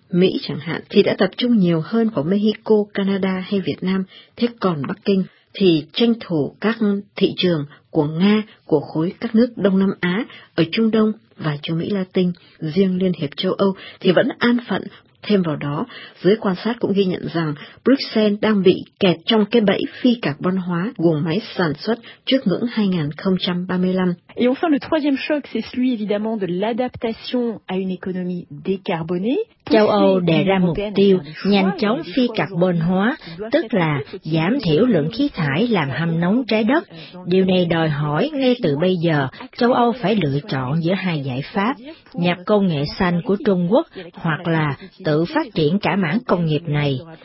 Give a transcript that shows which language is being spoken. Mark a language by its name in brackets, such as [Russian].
[Vietnamese] Mỹ chẳng hạn thì đã tập trung nhiều hơn vào Mexico, Canada hay Việt Nam, thế còn Bắc Kinh thì tranh thủ các thị trường của Nga, của khối các nước Đông Nam Á, ở Trung Đông và Châu Mỹ Latin. Riêng Liên hiệp châu Âu thì vẫn an phận. Thêm vào đó, giới quan sát cũng ghi nhận rằng Bruxelles đang bị kẹt trong cái bẫy phi carbon hóa guồng máy sản xuất trước ngưỡng 2035. [French] Et enfin, le troisième choc, c'est celui évidemment de l'adaptation à une économie décarbonée. [Vietnamese] Châu Âu đề ra mục tiêu nhanh chóng phi carbon hóa, tức là giảm thiểu lượng khí thải làm hâm nóng trái đất. Điều này đòi hỏi ngay từ bây giờ, châu Âu phải lựa chọn giữa hai giải pháp, nhập công nghệ xanh của Trung Quốc hoặc là tự phát triển cả mảng công nghiệp này.